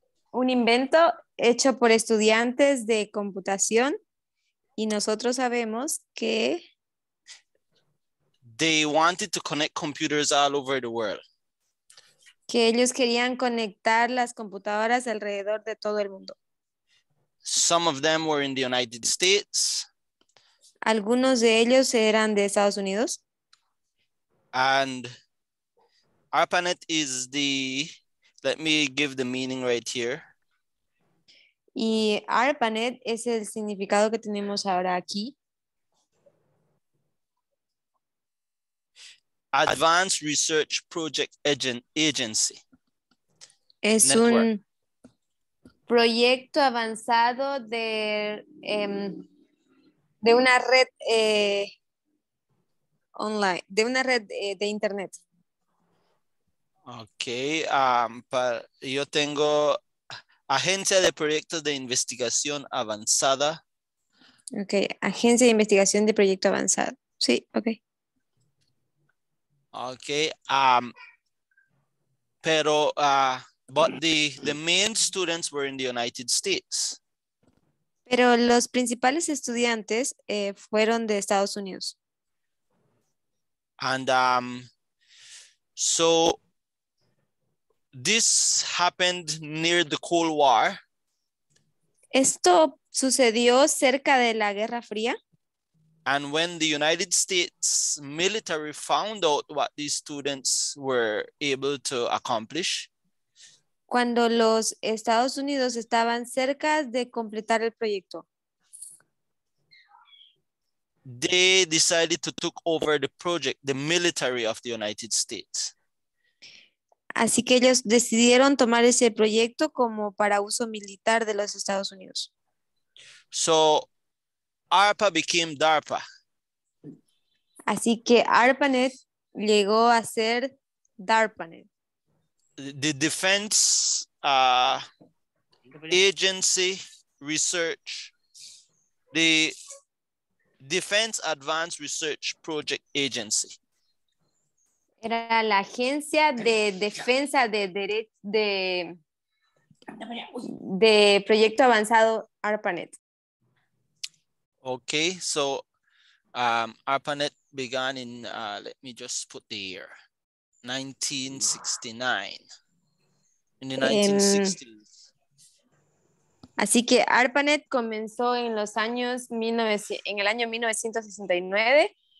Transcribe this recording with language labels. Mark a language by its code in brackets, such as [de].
[es] Un invento hecho por estudiantes de computación y nosotros sabemos que [en] they wanted to connect computers all over the world. [es] Que ellos querían conectar las computadoras alrededor de todo el mundo. [en] Some of them were in the United States. [es] Algunos de ellos eran de Estados Unidos. [en] And ARPANET is the, let me give the meaning right here. [es] Y ARPANET es el significado que tenemos ahora aquí. [en] Advanced Research Project Agency. [es] Es Network. Un proyecto avanzado de una red online, de una red de internet. Okay, yo tengo Agencia de Proyectos de Investigación Avanzada. Okay, Agencia de Investigación de Proyecto Avanzado. Sí, okay. [en] Okay, the main students were in the United States. [es] Pero los principales estudiantes fueron de Estados Unidos. [en] And so this happened near the Cold War. [es] Esto sucedió cerca de la Guerra Fría. [en] And when the United States military found out what these students were able to accomplish. [es] Cuando los Estados Unidos estaban cerca de completar el proyecto. [en] They decided to take over the project, the military of the United States. [es] Así que ellos decidieron tomar ese proyecto como para uso militar de los Estados Unidos. [en] So, ARPA became DARPA. [es] Así que ARPANET llegó a ser DARPANET. [en] The Defense Agency Research, the Defense Advanced Research Project Agency. [es] Era la agencia de defensa de derecho de proyecto avanzado ARPANET. [en] Okay, so ARPANET began in, let me just put the year, 1969. In the 1960s. [es] Así que ARPANET comenzó en los años 19, en el año 1969.